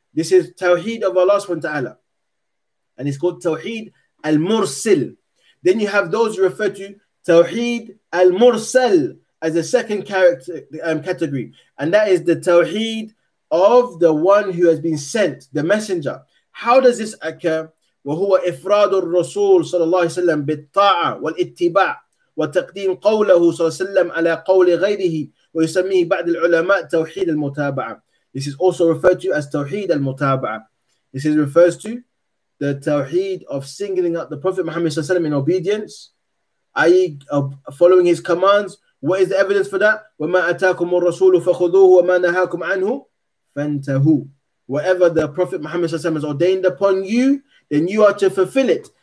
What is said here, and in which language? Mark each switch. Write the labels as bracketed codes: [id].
[en] This is Tawheed of Allah subhanahu wa ta'ala. And it's called Tawheed al-Mursil. Then you have those who refer to Tawheed al-Mursal as the second category. And that is the Tawheed of the one who has been sent, the messenger. How does this occur? [ar] وَهُوَ إِفْرَادُ الرَّسُولِ صَلَى اللَّهِ سَلَّمَ بِالطَّاعَةِ وَالْإِتِّبَاعِ وَتَقْدِيمُ قَوْلَهُ صَلَى اللَّهِ سَلَّمَ عَلَى قَوْلِ غَيْرِهِ وَيُسَمِّيهِ بَعْدِ الْعُلَمَاءِ تَوْحِيدَ الْمُتَابَعَةِ [en] This is also referred to as Tawheed al-Mutaba'ah. This refers to the Tawheed of singling out the Prophet Muhammad صلى الله عليه وسلم in obedience, i.e. following his commands. What is the evidence for that? [ar] وَمَا أَتَاكُمُ الرَّسُولُ فَخُذُوهُ وَمَا نَهَاكُمْ عَنْهُ فَانْتَهُوا [en] Whatever the Prophet Muhammad SAW has ordained upon you, then you are to fulfill it.